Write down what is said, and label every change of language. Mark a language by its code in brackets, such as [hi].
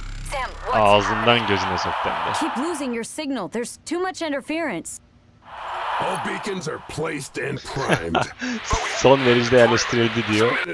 [tr] Sam, ağzından gözüne soktu hem de. [en] Keep losing your signal. There's too much interference. All beacons are placed and primed. [tr] Son verici de yerleştirildi diyor.